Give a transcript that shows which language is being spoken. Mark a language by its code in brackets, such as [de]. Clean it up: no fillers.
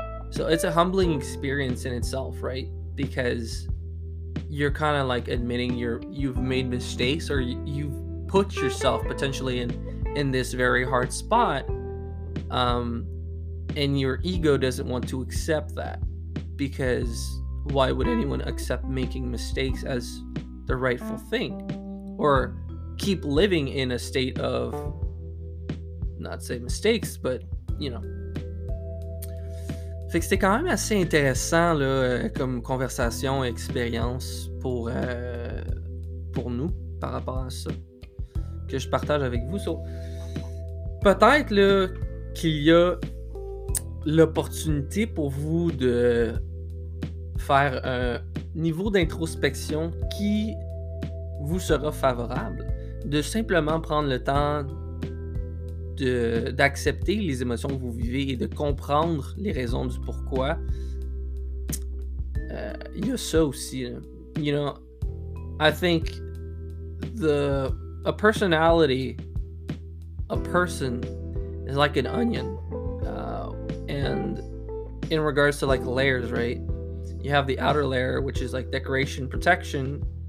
[en] So it's a humbling experience in itself, right? Because you're kind of like admitting you've made mistakes, or you've put yourself potentially in this very hard spot, and your ego doesn't want to accept that, because why would anyone accept making mistakes as the rightful thing, or keep living in a state of, not say mistakes, but you know. [fr] Fait que c'était quand même assez intéressant là, comme conversation et expérience pour nous par rapport à ça, que je partage avec vous. So, peut-être là, qu'il y a l'opportunité pour vous de faire un niveau d'introspection qui vous sera favorable, de simplement prendre le temps d'accepter les émotions que vous vivez et de comprendre les raisons du pourquoi. Il y a ça aussi. [en] You know, I think a person is like an onion. And in regards to like layers, right? You have the outer layer, which is like decoration, protection.